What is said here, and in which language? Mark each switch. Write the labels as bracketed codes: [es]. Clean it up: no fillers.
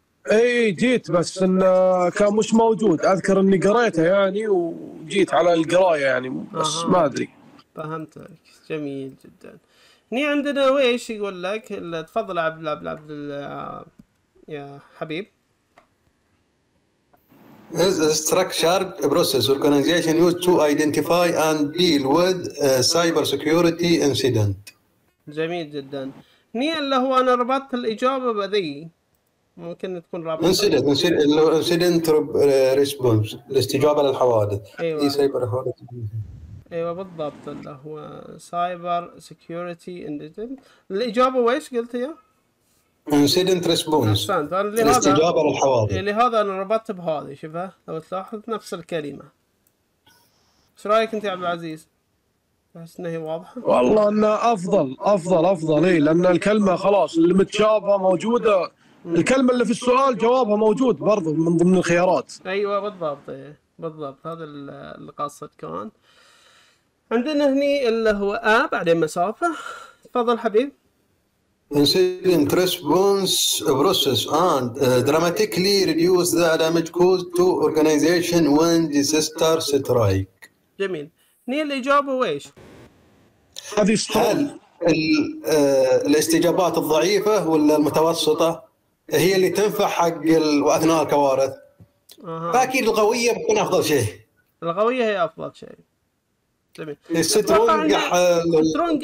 [ar] اي جيت بس ان كان مش موجود، اذكر اني قريته يعني وجيت على القرايه يعني بس ما ادري. فهمتك، جميل جدا. هني عندنا ويش يقول لك؟ تفضل عبد الله عبد يا حبيب. [en] Structure process organization used to identify and deal with cyber security incident. [ar] جميل جدا. هني اللي هو انا ربطت الاجابه بذي، ممكن تكون رابطه [en] incident incident response، [ar] الاستجابه للحوادث. اي سايبر حوادث. ايوه بالضبط، اللي هو [en] Cyber security incident. [ar] الاجابه ويش قلت يا؟ [en] incident response, [ar] الاستجابه للحوادث. اللي هذا انا ربطت بهذه، شوفها لو تلاحظ نفس الكلمه. ايش رايك انت يا عبد العزيز؟ احس انها واضحه؟ والله انها افضل افضل افضل. اي لان الكلمه خلاص اللي متشابهه موجوده، الكلمه اللي في السؤال جوابها موجود برضه من ضمن الخيارات. ايوه بالضبط، ايه بالضبط، هذا اللي قصد كان. عندنا هني اللي هو A بعدين مسافة. تفضل حبيب. [en] Incident response process and dramatically reduce the damage caused to organization when disaster strike. [ar] جميل. هني الإجابة ويش؟ هذه السؤال. هل الاستجابات الضعيفة ولا المتوسطة هي اللي تنفع حق وأثناء الكوارث؟ فأكيد القوية بتكون أفضل شيء. القوية هي أفضل شيء. [en] strong